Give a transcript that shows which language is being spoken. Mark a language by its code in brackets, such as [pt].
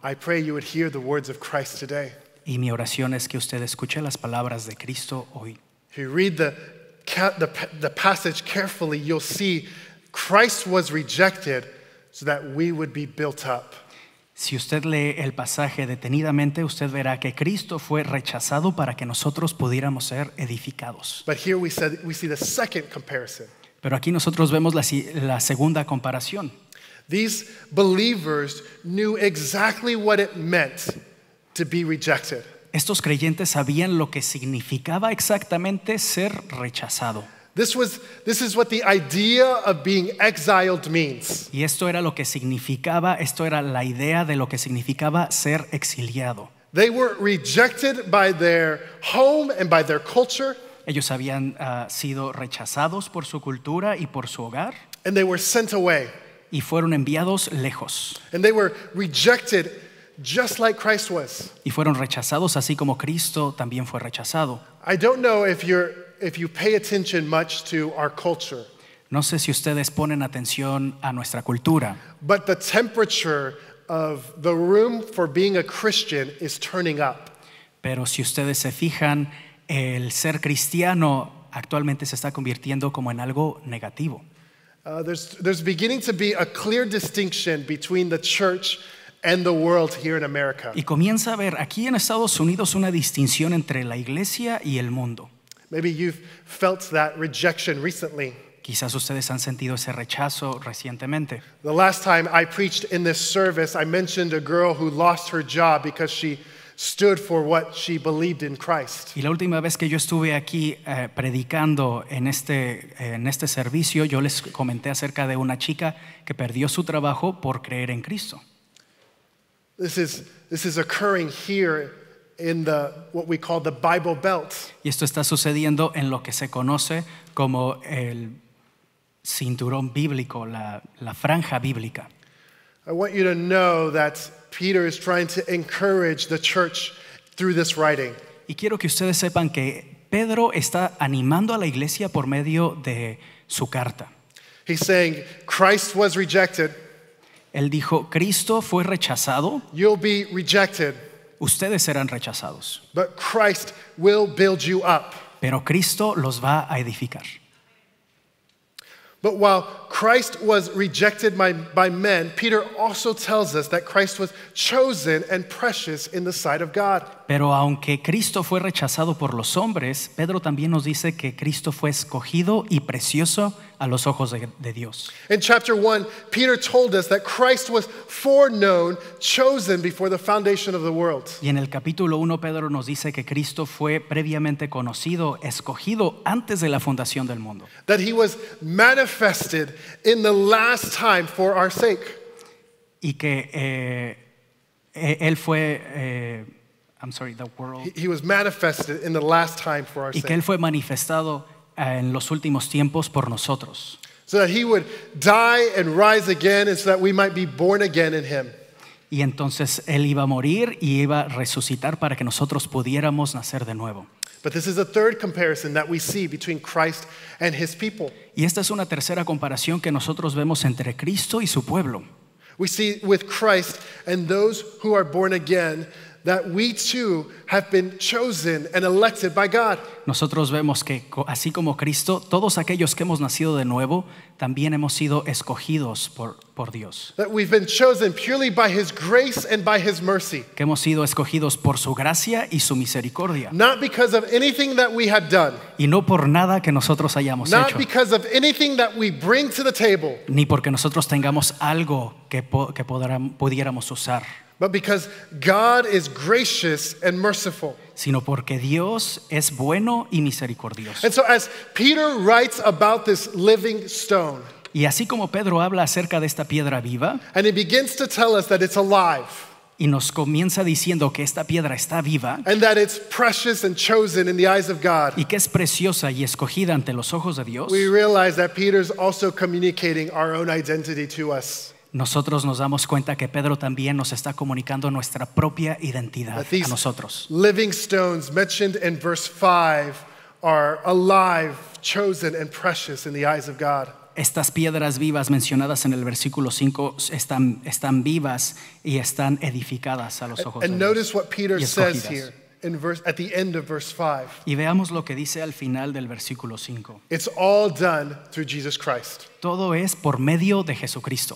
[en] I pray you would hear the words of Christ today. [es] Y mi oración es que usted escuche las palabras de Cristo hoy. [en] If you read the passage carefully, you'll see Christ was rejected so that we would be built up. [es] Si usted lee el pasaje detenidamente, usted verá que Cristo fue rechazado para que nosotros pudiéramos ser edificados. [en] But here we see the second comparison. [es] Pero aquí nosotros vemos la segunda comparación. [en] These believers knew exactly what it meant to be rejected. [es] Estos creyentes sabían lo que significaba exactamente ser rechazado. [en] This is what the idea of being exiled means. [es] Y esto era lo que significaba, esto era la idea de lo que significaba ser exiliado. [en] They were rejected by their home and by their culture. [es] Ellos habían sido rechazados por su cultura y por su hogar. [en] And they were sent away. [es] Y fueron enviados lejos. [en] And they were rejected just like Christ was. [es] Y fueron rechazados así como Cristo también fue rechazado. [en] I don't know if you pay attention much to our culture. [es] No sé si ustedes ponen atención a nuestra cultura. [en] But the temperature of the room for being a Christian is turning up. [es] Pero si ustedes se fijan, el ser cristiano actualmente se está convirtiendo como en algo negativo. [en] There's beginning to be a clear distinction between the church and the world here in America. [es] Y comienza a ver aquí en Estados Unidos una distinción entre la iglesia y el mundo. [en] Maybe you've felt that rejection recently. [es] Quizás ustedes han sentido ese rechazo recientemente. [en] The last time I preached in this service, I mentioned a girl who lost her job because she stood for what she believed in Christ. [es] Y la última vez que yo estuve aquí predicando en este servicio, yo les comenté acerca de una chica que perdió su trabajo por creer en Cristo. [en] This is occurring here in the what we call the Bible Belt. [es] Y esto está sucediendo en lo que se conoce como el cinturón bíblico, la franja bíblica. [en] I want you to know that Peter is trying to encourage the church through this writing. [es] Y quiero que ustedes sepan que Pedro está animando a la iglesia por medio de su carta. [en] He's saying Christ was rejected. [es] Él dijo, Cristo fue rechazado. [en] You'll be rejected. [es] Ustedes serán rechazados. [en] But Christ will build you up. [es] Pero Cristo los va a edificar. [en] But while Christ was rejected by men, Peter also tells us that Christ was chosen and precious in the sight of God. [es] Pero aunque Cristo fue rechazado por los hombres, Pedro también nos dice que Cristo fue escogido y precioso a los ojos de Dios. [en] In chapter 1, Peter told us that Christ was foreknown, chosen before the foundation of the world. [es] Y en el capítulo 1, Pedro nos dice que Cristo fue previamente conocido, escogido antes de la fundación del mundo. [en] That he was manifested in the last time for our sake. [es] Y que él fue... [en] I'm sorry, the world. He was manifested in the last time for our sake. [es] Y que él fue manifestado en los últimos tiempos por nosotros. [en] So that he would die and rise again, and so that we might be born again in him. [es] Y entonces él iba a morir y iba a resucitar para que nosotros pudiéramos nacer de nuevo. [en] But this is a third comparison that we see between Christ and his people. [es] Y esta es una tercera comparación que nosotros vemos entre Cristo y su pueblo. [en] We see with Christ and those who are born again that we too have been chosen and elected by God. [es] Nosotros vemos que así como Cristo, todos aquellos que hemos nacido de nuevo también hemos sido escogidos por Dios. [en] That we've been chosen purely by His grace and by His mercy. [es] Que hemos sido escogidos por su gracia y su misericordia. [en] Not because of anything that we have done. [es] Y no por nada que nosotros hayamos [en] Not [es] hecho. [en] Not because of anything that we bring to the table. [es] Ni porque nosotros tengamos algo que pudiéramos usar. [en] But because God is gracious and merciful. [es] Sino porque Dios es bueno y misericordioso. [en] And so as Peter writes about this living stone. [es] Y así como Pedro habla acerca de esta piedra viva. [en] And he begins to tell us that it's alive. [es] Y nos comienza diciendo que esta piedra está viva. [en] And that it's precious and chosen in the eyes of God. [es] Y que es preciosa y escogida ante los ojos de Dios. [en] We realize that Peter's also communicating our own identity to us. [es] Nosotros nos damos cuenta que Pedro también nos está comunicando nuestra propia identidad a nosotros. [en] Living stones mentioned in verse 5 are alive, chosen and precious in the eyes of God. [es] Estas piedras vivas mencionadas en el versículo 5 están vivas y están edificadas a los ojos de Dios. [en] And notice what Peter says here in verse at the end of verse 5. [es] Y veamos lo que dice al final del versículo 5. [en] It's all done through Jesus Christ. [es] Todo es por medio de Jesucristo.